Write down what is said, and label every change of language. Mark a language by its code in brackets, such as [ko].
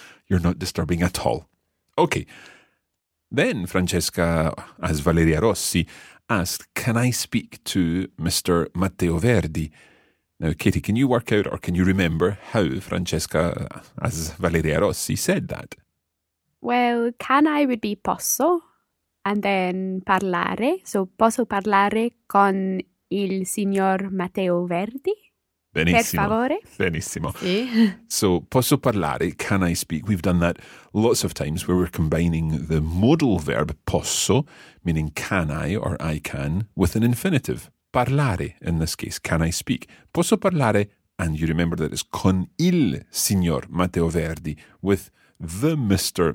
[en] You're not disturbing at all. Okay. Then Francesca, as Valeria Rossi, asked, can I speak to Mr. Matteo Verdi? Now, Katie, can you work out or can you remember how Francesca, as Valeria Rossi, said that? Well, can I would be posso, and then parlare. [it] So, posso parlare con il signor Matteo Verdi? Benissimo. Per favore. Benissimo. Sì. [en] So, [it] posso parlare, [en] can I speak? We've done that lots of times where we're combining the modal verb posso, meaning can I or I can, with an infinitive. Parlare, in this case, can I speak? [it] Posso parlare, [en] and you remember that it's [it] con il signor Matteo Verdi, [en] with the Mr.